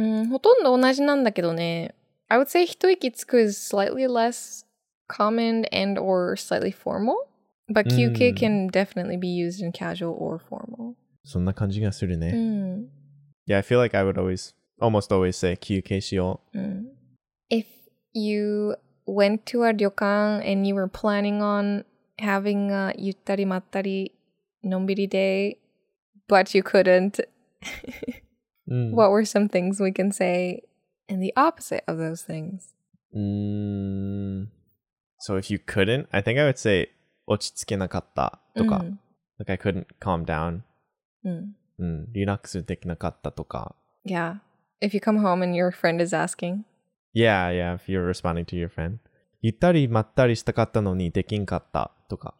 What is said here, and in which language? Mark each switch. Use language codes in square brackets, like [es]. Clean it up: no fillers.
[ja] ほとんど同じなんだけどね。 [en] I would say 一息つく is slightly less common and or slightly formal. But 休憩 can definitely be used in casual or formal. [ja] そんな感じがするね。 Mm. [en] Yeah, I feel like I would always, almost always say 休憩しよう。 If you... went to a 旅館 and you were planning on having a ゆったりまったりのんびり day, but you couldn't. 、 mm. What were some things we can say in the opposite of those things?、 Mm. So if you couldn't, I think I would say 落ち着けなかったとか、 mm. Like I couldn't calm down. Mm. Mm. [ja] リラックスできなかったとか。 [en] Yeah. If you come home and your friend is asking... Yeah, yeah, if you're responding to your friend. [ja] ゆったりまったりしたかったのにできんかったとか。